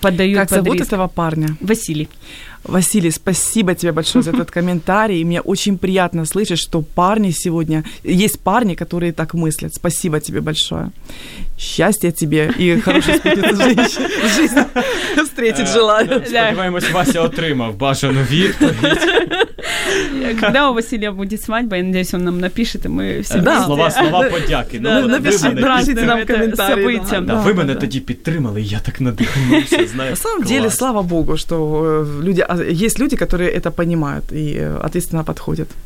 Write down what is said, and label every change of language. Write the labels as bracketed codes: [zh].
[ru] под риск. Как зовут этого парня? Василий. Василий, спасибо тебе большое за этот комментарий. Мне очень приятно слышать, что парни сегодня... Есть парни, которые так мыслят. Спасибо тебе большое. Счастья тебе и хорошей спутницы женщины. Встретить желаю. [uk] Сподіваємось, Вася отримав бажану відповідь. [ru] Когда у Василия будет свадьба, я надеюсь, он нам напишет, и мы всегда... [uk] Слова подяки. [ru] Напишите нам комментарии. Вы меня [uk] тогда підтримали, [ru] и я так надихнулся. На самом деле, слава богу, что люди... Есть люди, которые это понимают и ответственно подходят.